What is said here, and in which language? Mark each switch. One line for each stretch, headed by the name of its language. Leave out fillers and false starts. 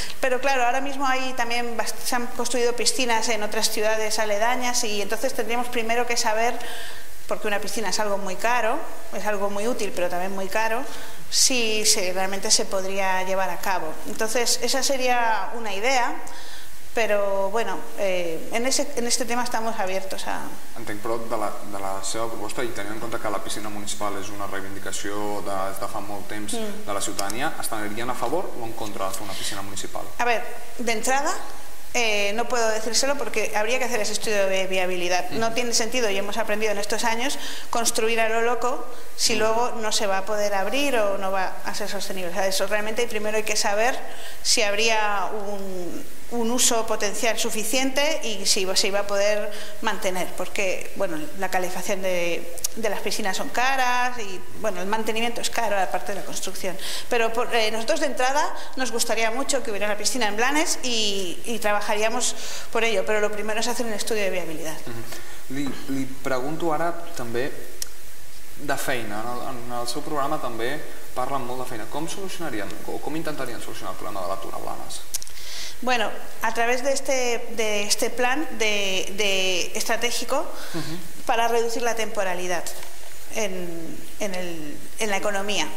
Spanish: Pero claro, ahora mismo hay también se han construido piscinas en otras ciudades aledañas y entonces tendríamos primero que saber, porque una piscina es algo muy caro, es algo muy útil, pero también muy caro, si realmente se podría llevar a cabo. Entonces, esa sería una idea, Però, bueno, en este tema estamos abiertos a...
Catalan: Entenc, però, de la seva proposta, i tenint en compte que la piscina municipal és una reivindicació de fa molt temps de la ciutadania, estarien a favor o en contra de fer una piscina municipal?
Spanish: A ver, d'entrada, no puedo decírselo porque habría que hacer ese estudio de viabilidad. No tiene sentido, y hemos aprendido en estos años, construir a lo loco si luego no se va a poder abrir o no va a ser sostenible. O sea, eso realmente primero hay que saber si habría un uso potencial suficiente y si se iba a poder mantener, porque bueno, la calefacción de las piscinas son caras y bueno, el mantenimiento es caro aparte de la construcción, pero nosotros de entrada nos gustaría mucho que hubiera una piscina en Blanes y trabajaríamos por ello, pero lo primero es hacer un estudio de viabilidad.
Catalan: Li pregunto ara també de feina. En el seu programa també parlen molt de feina. Com solucionaríem o com intentaríem solucionar el problema de l'atur a Blanes?
Spanish: Bueno, a través de este plan de estratégico para reducir la temporalidad en la economía.